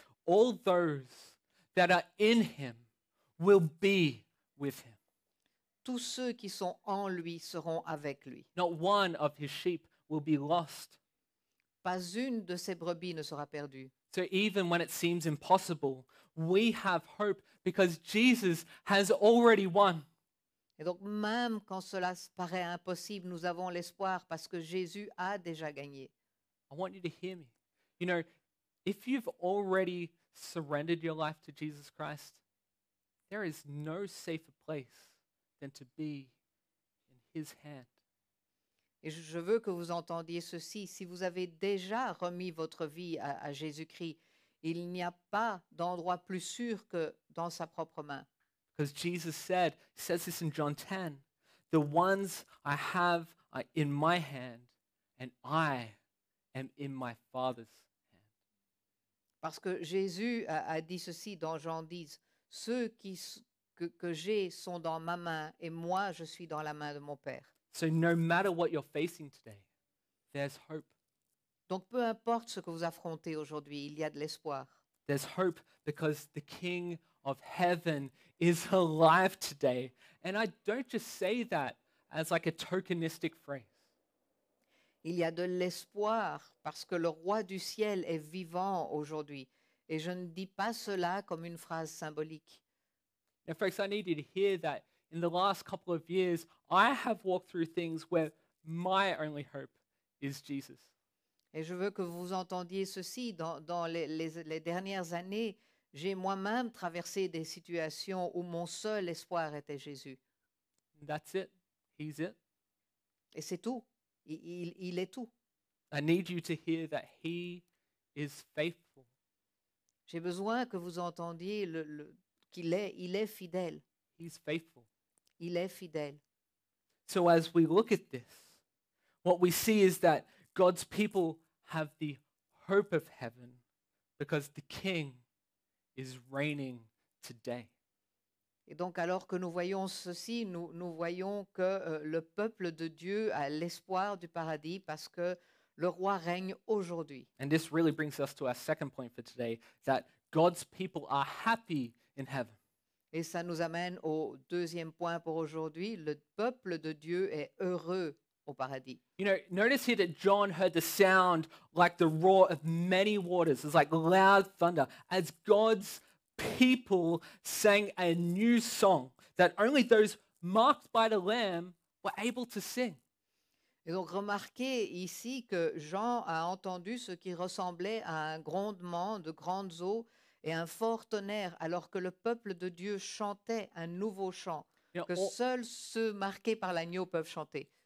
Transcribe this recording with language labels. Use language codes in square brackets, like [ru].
[en] All those that are in him will be with him. [fr] Tous ceux qui sont en lui seront avec lui. [en] Not one of his sheep will be lost. [fr] Pas une de ses brebis ne sera perdue. [en] So even when it seems impossible, we have hope because Jesus has already won. [fr] Et donc même quand cela paraît impossible, nous avons l'espoir parce que Jésus a déjà gagné. [en] I want you to hear me. You know, if you've already surrendered your life to Jesus Christ, there is no safer place than to be in His hand. [fr] Et je veux que vous entendiez ceci. Si vous avez déjà remis votre vie à Jésus-Christ, il n'y a pas d'endroit plus sûr que dans sa propre main. [en] Because Jesus said, he says this in John 10, the ones I have are in my hand and I am in my Father's hand. [fr] Parce que Jésus a dit ceci dans Jean 10, ceux que j'ai sont dans ma main et moi je suis dans la main de mon Père. [en] So no matter what you're facing today, there's hope. [fr] Donc peu importe ce que vous affrontez aujourd'hui, il y a de l'espoir. [en] There's hope because the King of Heaven is alive today. And I don't just say that as like a tokenistic phrase. [fr] Il y a de l'espoir parce que le roi du ciel est vivant aujourd'hui. Et je ne dis pas cela comme une phrase symbolique. [en] Now, folks, I need you to hear that. In the last couple of years, I have walked through things where my only hope is Jesus. [fr] Et je veux que vous entendiez ceci. Dans les dernières années, j'ai moi-même traversé des situations où mon seul espoir était Jésus. [en] That's it. He's it. [fr] Et c'est tout. Il est tout. [en] I need you to hear that He is faithful. [fr] J'ai besoin que vous entendiez qu'il est, il est fidèle. [en] He's faithful. [fr] Il est fidèle. [en] So as we look at this, what we see is that God's people have the hope of heaven because the King is reigning today. [fr] Et donc alors que nous voyons ceci, nous voyons que le peuple de Dieu a l'espoir du paradis parce que le roi règne aujourd'hui. [en] And this really brings us to our second point for today, that God's people are happy in heaven. [fr] Et ça nous amène au deuxième point pour aujourd'hui. Le peuple de Dieu est heureux au paradis. [en] You know, notice here that John heard the sound like the roar of many waters. It's like loud thunder. As God's people sang a new song that only those marked by the Lamb were able to sing. [fr] Et donc remarquez ici que Jean a entendu ce qui ressemblait à un grondement de grandes eaux et un fort tonnerre, alors que le peuple de Dieu chantait un nouveau chant, [en] you know, [fr] que seuls ceux marqués par l'agneau peuvent chanter.